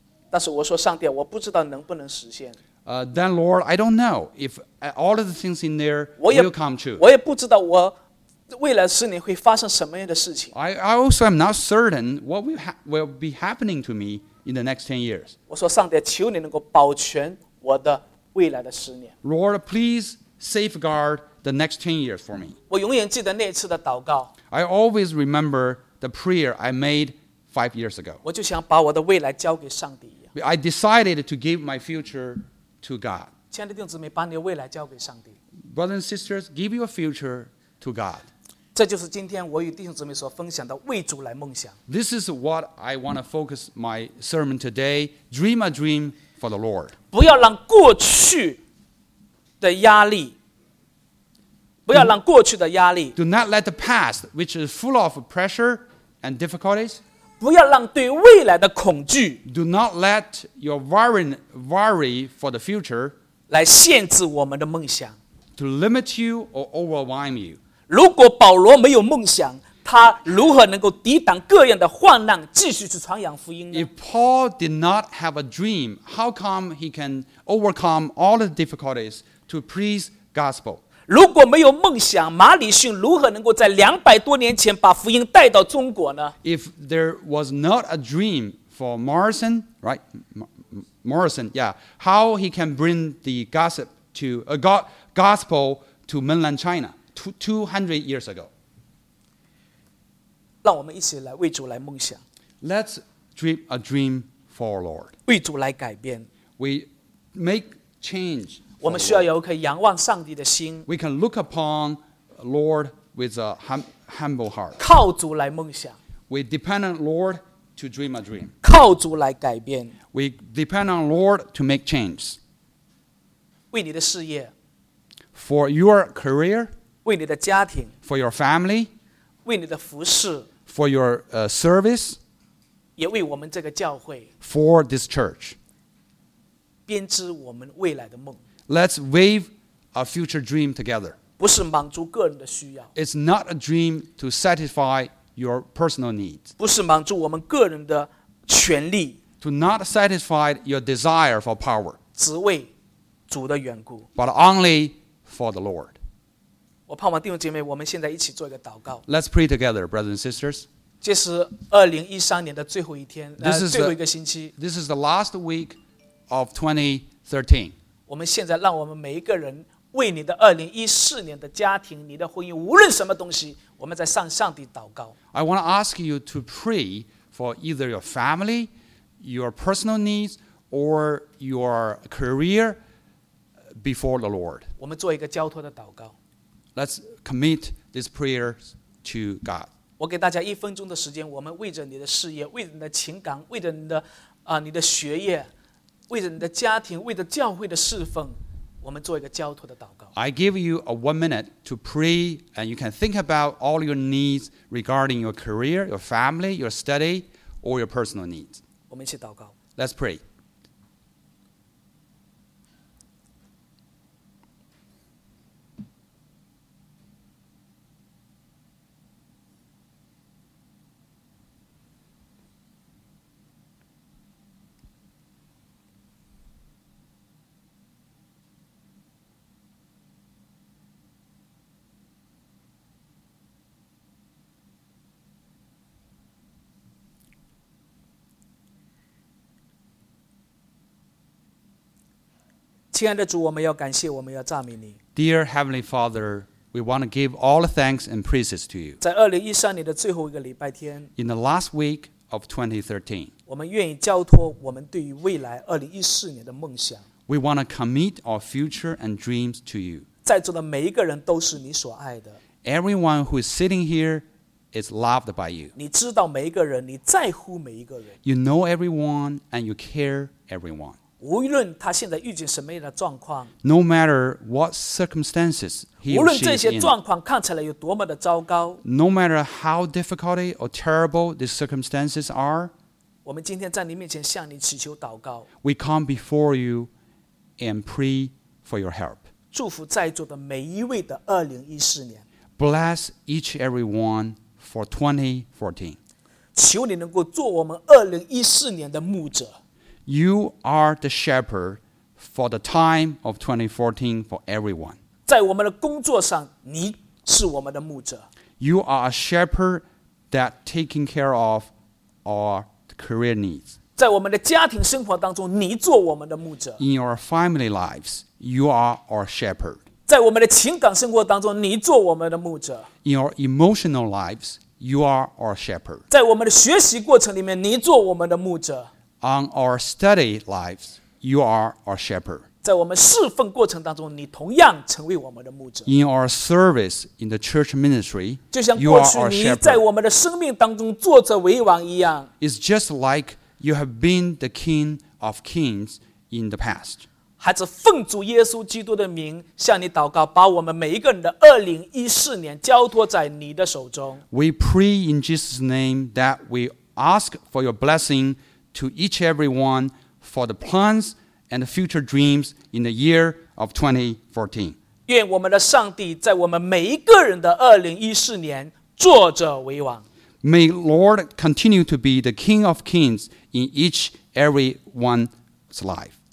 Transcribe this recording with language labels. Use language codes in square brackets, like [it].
[zh] 但是我说上帝啊，我不知道能不能实现。 [en] Then Lord, I don't know if all of the things in there will come true. [zh] 我也不知道我未来十年会发生什么样的事情。 [en] I also am not certain what will be happening to me in the next 10 years. [zh] 我说上帝啊，求你能够保全我的未来的十年。 [en] Lord, please safeguard the next 10 years for me. [zh] 我永远记得那次的祷告。 [en] I always remember the prayer I made 5 years ago. [zh] 我就想把我的未来交给上帝一样。 [en] I decided to give my future to God. [zh] 亲爱的弟兄姊妹，把你的未来交给上帝。 [en] Brothers and sisters, give your future to God. [zh] 这就是今天我与弟兄姊妹所分享的为主来梦想。 [en] This is what I want to focus my sermon today. Dream a dream. For the Lord. [zh] 不要让过去的压力，不要让过去的压力。 [en] Do not let the past, which is full of pressure and difficulties. [zh] 不要让对未来的恐惧。 [en] Do not let your worry for the future. [zh] 来限制我们的梦想。 [en] To limit you or overwhelm you. [zh] 如果保罗没有梦想，他如何能够抵挡各样的患难，继续去传扬福音呢？ [en] If Paul did not have a dream, how come he can overcome all the difficulties to preach gospel? [zh] 如果没有梦想，马里逊如何能够在200多年前把福音带到中国呢？ [en] If there was not a dream for Morrison, right? Morrison, yeah. How he can bring the gospel to mainland China 200 years ago? [zh] 让我们一起来为主来梦想。 [en] Let's dream a dream for Lord. [zh] 为主来改变。 [en] We make change. [zh] 我们需要有一颗仰望上帝的心。 [en] We can look upon Lord with a humble heart. [zh] 靠主来梦想。 [en] We depend on Lord to dream a dream. [zh] 靠主来改变。 [en] We depend on Lord to make change. [zh] 为你的事业。 [en] For your career. [zh] 为你的家庭。 [en] For your family. [zh] 为你的服事 [en] for your service, [zh] 也为我们这个教会 [en] for this church, [zh] 编织我们未来的梦 [en] let's weave a future dream together. [zh] 不是满足个人的需要 [en] it's not a dream to satisfy your personal needs. [zh] 不是满足我们个人的权利 [en] to not satisfy your desire for power. [zh] 只为主的缘故 [en] but only for the Lord. [zh] 我盼望弟兄姐妹，我们现在一起做一个祷告。 [en] Let's pray together, brothers and sisters. [zh] 这是2013年的最后一天，最后一个星期。 [en] This is the last week of 2013. [zh] 我们现在让我们每一个人为你的2014年的家庭、你的婚姻，无论什么东西，我们在向上帝祷告。 [en] I want to ask you to pray for either your family, your personal needs, or your career before the Lord. [zh] 我们做一个交托的祷告。 [en] Let's commit this prayer to God. [zh] 我给大家一分钟的时间，我们为着你的事业，为着你的情感，为着你的你的学业，为着你的家庭，为着教会的侍奉，我们做一个交托的祷告。 [en] I give you a 1 minute to pray, and you can think about all your needs regarding your career, your family, your study, or your personal needs. [zh] 我们一起祷告。 [en] Let's pray. [zh] 亲爱的主，我们要感谢，我们要赞美你。 [en] Dear Heavenly Father, we want to give all the thanks and praises to you. [zh] 在2013年的最后一个礼拜天 [en] ，In the last week of 2013, [zh] 我们愿意交托我们对于未来2014年的梦想。 [en] We want to commit our future and dreams to you. [zh] 在座的每一个人都是你所爱的。 [en] Everyone who is sitting here is loved by you. [zh] 你知道每一个人，你在乎每一个人。 [en] You know everyone and you care everyone. [zh] 无论他现在遇见什么样的状况。 [en] No matter what circumstances he or she is in. [zh] 无论这些状况看起来有多么的糟糕。 [en] No matter how difficult or terrible the circumstances are. [zh] 我们今天在你面前向你祈求祷告。 [en] We come before you and pray for your help. [zh] 祝福在座的每一位的2014年。 [en] Bless each and every one for 2014. [zh] 求你能够做我们2014年的牧者。 [en] You are the shepherd for the time of 2014 for everyone. [zh] 在我们的工作上，你是我们的牧者。 [en] You are a shepherd that taking care of our career needs. [zh] 在我们的家庭生活当中，你做我们的牧者。 [en] In our family lives, you are our shepherd. [zh] 在我们的情感生活当中，你做我们的牧者。 [en] In our emotional lives, you are our shepherd. [zh] 在我们的学习过程里面，你做我们的牧者。 [en] On our study lives, you are our shepherd. [zh] 在我们侍奉过程当中，你同样成为我们的牧者。 [en] In our service in the church ministry, you are our shepherd. [zh] 就像过去你在我们的生命当中坐着为王一样。 [en] It's just like you have been the king of kings in the past. [zh] 孩子，奉主耶稣基督的名向你祷告，把我们每一个人的2014年交托在你的手中。 [en] We pray in Jesus' name that we ask for your blessing to each and every one for the plans and the future dreams in the year of 2014. [zh] 愿我们的上帝在我们每一个人的2014年坐着为王。 [en] May Lord continue to be the King of Kings in each and every one's life.